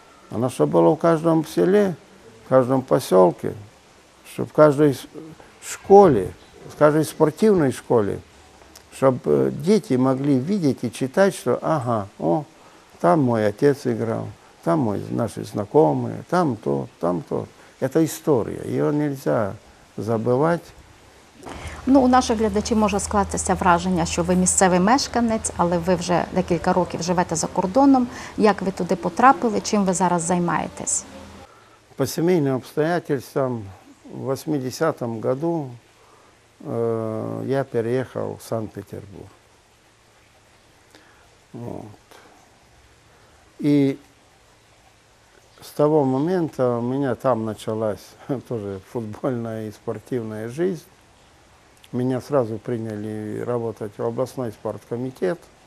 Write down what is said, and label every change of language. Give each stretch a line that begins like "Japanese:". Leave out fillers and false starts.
Russian: Оно, чтобы было в каждом селе, в каждом поселке, чтобы в каждой школе, в каждой спортивной школе, чтобы дети могли видеть и читать, что ага, о, там мой отец играл, там мой, наши знакомые, там то. Это история, ее нельзя забывать.
Ukrainian: Ну, у наших глядачів може скластися враження, що ви місцевий мешканець, але ви вже декілька років живете за кордоном. Як ви туди потрапили, чим ви зараз займаєтесь? По сімейним обстоятельствам в 80-му році я переїхав в Санкт-Петербург.
Russian: Вот. И с того момента у меня там началась тоже футбольная и спортивная жизнь. Меня сразу приняли работать в областной спорткомитет.